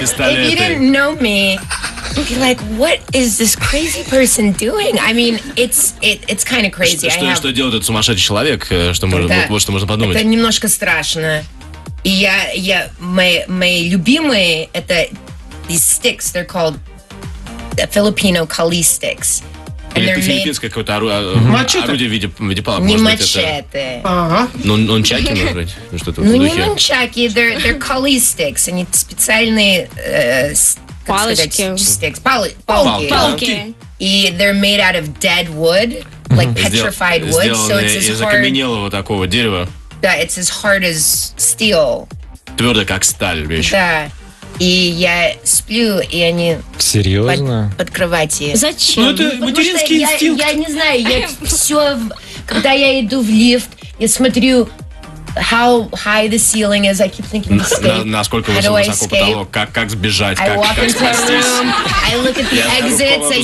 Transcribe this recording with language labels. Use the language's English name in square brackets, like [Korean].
[English] if you didn't know me, you'd be like, what is this crazy person doing? I mean, it's kind of crazy. [Russian] Что делает этот сумасшедший человек? Что можно подумать? Это немножко страшно. И я мои любимые это [English] these sticks. They're called the Filipino Kali sticks. [Russian] Или это филиппинское какое-то орудие в виде палок. Не мачете. Ну, нончаки, может быть? Ну, что-то не нончаки, [English] they're [Russian] кали стикс. Они специальные... палочки. Палки. И [English] they're made out of dead wood, like petrified wood. [Russian] Сделаны из окаменелого такого дерева. Да, [English] it's as hard as steel. [Russian] Твердо, как сталь вещь. Да. И я сплю, и они... Серьезно? Под кроватью. Зачем? Ну, это материнский инстинкт. Я не знаю, я все... Когда я иду в лифт, я смотрю, [English] how high the ceiling is, I keep thinking, escape. [Russian] Насколько высоко потолок, как сбежать, как спастись. [English] I walk into the room, I look at the exits, I see...